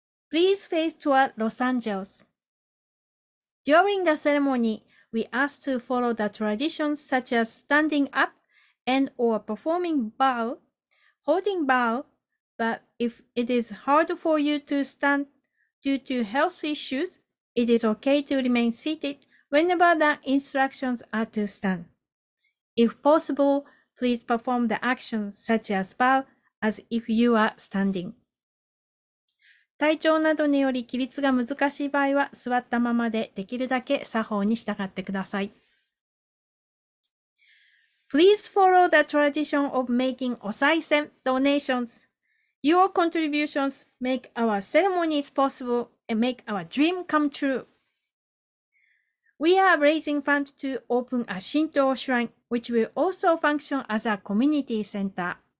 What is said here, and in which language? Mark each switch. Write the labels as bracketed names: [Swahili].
[English] Please face toward Los Angeles. During the ceremony, we ask to follow the traditions such as standing up and or performing bow, holding bow, but if it is hard for you to stand due to health issues, it is okay to remain seated whenever the instructions are to stand. If possible, please perform the actions such as bow as if you are standing. [Japanese] 体調などにより起立が難しい場合は座ったままでできるだけ作法に従ってください。 [English] Please follow the tradition of making お賽銭 donations. Your contributions make our ceremonies possible and make our dream come true. We are raising funds to open a Shinto shrine, which will also function as a community center.